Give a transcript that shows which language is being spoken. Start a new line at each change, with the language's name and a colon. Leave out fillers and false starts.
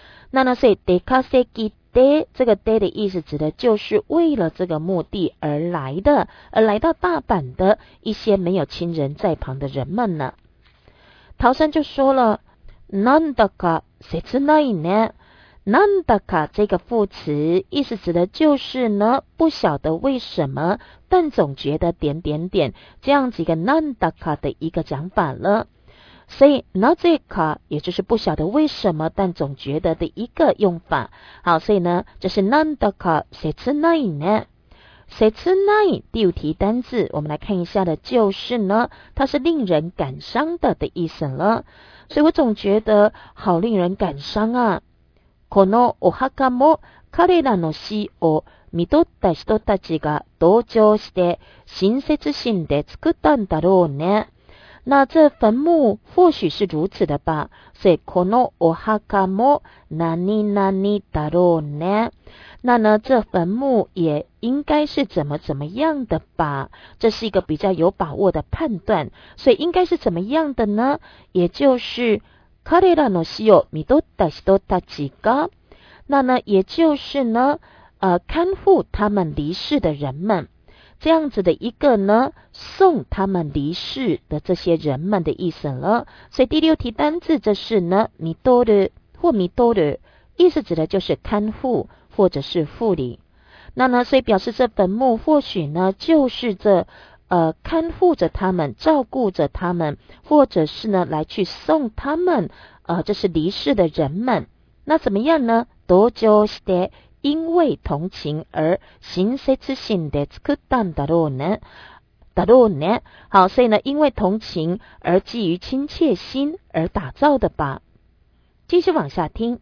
Chinese: 那呢，所以 出稼ぎ で，这个 で 的意思指的就是为了这个目的而来的，而来到大阪的一些没有亲人在旁的人们呢。陶山就说了，
Japanese: なんだか切ないね。
Chinese: なんだか这个副词意思指的就是呢，不晓得为什么，但总觉得点点点，这样子一个なんだか的一个讲法了。所以なぜか也就是不晓得为什么，但总觉得的一个用法。好，所以呢，这是
Japanese: なんだか切ないね。
Chinese: 切ない第五题单字，我们来看一下的，就是呢，它是令人感伤的意思了。所以我总觉得好令人感伤啊。
Japanese: このお墓も彼らの死を見取った人たちが同情して親切心で作ったんだろうね。
Chinese: 那这坟墓或许是如此的吧。所以
Japanese: このお墓も何々だろうね。
Chinese: 那呢，这坟墓也应该是怎么怎么样的吧？这是一个比较有把握的判断，所以应该是怎么样的呢？也就是
Japanese: 彼らの死を見取った人たちが，
Chinese: 那呢，也就是呢，看护他们离世的人们，这样子的一个呢，送他们离世的这些人们的意思了。所以第六题单字，这是呢，見取る或見取る，意思指的就是看护。或者是护理，那呢，所以表示这坟墓或许呢就是这看护着他们，照顾着他们，或者是呢来去送他们这是离世的人们。那怎么样呢？
Japanese: 多久して
Chinese: 因为同情而
Japanese: 親切心で作ったんだろうね。だろうね。
Chinese: 好，所以呢因为同情而基于亲切心而打造的吧。继续往下听。